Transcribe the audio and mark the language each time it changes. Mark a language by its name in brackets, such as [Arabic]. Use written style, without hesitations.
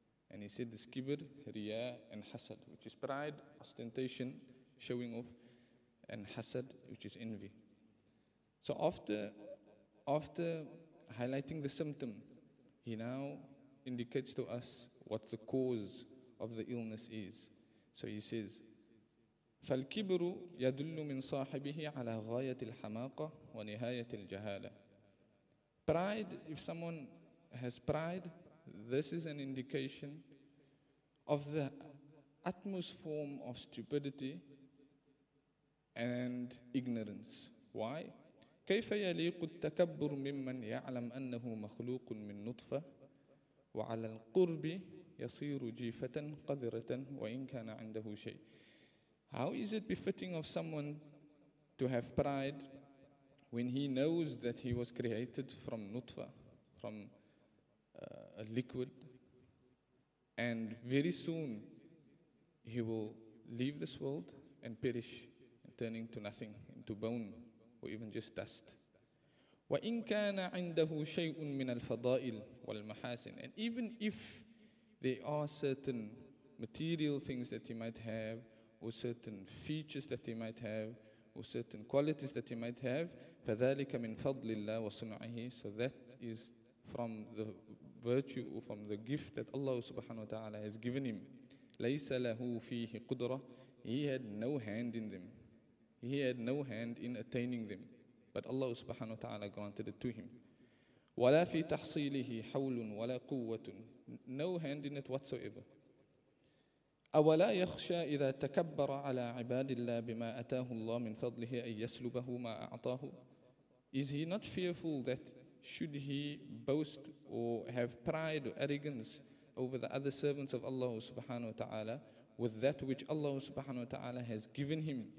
[English] And he said this: kibr, riya, and hasad, which is pride, ostentation, showing off, and hasad, which is envy. So after highlighting the symptom, he now indicates to us what the cause of the illness is. So he says, [Arabic] فَالْكِبْرُ يَدُلُّ مِنْ صَاحِبِهِ عَلَى غَايَةِ الْحَمَاقَةِ وَنِهَايَةِ الْجَهَالَةِ. [English] Pride, if someone has pride, this is an indication of the utmost form of stupidity and ignorance. Why? [Arabic] كيف يليق التكبر ممن يعلم أنه مخلوق من نطفة وعلى القرب يصير جيفة قذرة وإن كان عنده شيء. [English] How is it befitting of someone to have pride when he knows that he was created from نطفة, from a liquid, and very soon he will leave this world and perish, turning to nothing, into bone, or even just dust. [Arabic] وَإِنْ كَانَ عِنْدَهُ شَيْءٌ مِنَ الْفَضَائِلِ وَالْمَحَاسِنِ. [English] And even if there are certain material things that he might have, or certain features that he might have, or certain qualities that he might have, [Arabic] فَذَلِكَ مِنْ فَضْلِ اللَّهِ وَصُنْعِهِ. [English] So that is from the virtue or from the gift that Allah subhanahu wa ta'ala has given him. [Arabic] لَيْسَ لَهُ فِيهِ قُدْرَةِ [English] He had no hand in them. He had no hand in attaining them. But Allah subhanahu wa ta'ala granted it to him. [Arabic] وَلَا فِي تَحْصِيلِهِ حَوْلٌ وَلَا قُوَّةٌ [English] No hand in it whatsoever. [Arabic] أَوَلَا يَخْشَى إِذَا تَكَبَّرَ عَلَى عِبَادِ اللَّهِ بِمَا أَتَاهُ اللَّهُ مِنْ فَضْلِهِ أَنْ يَسْلُبَهُ مَا أَعْطَاهُ [English] Is he not fearful that should he boast or have pride or arrogance over the other servants of Allah subhanahu wa ta'ala with that which Allah subhanahu wa ta'ala has given him?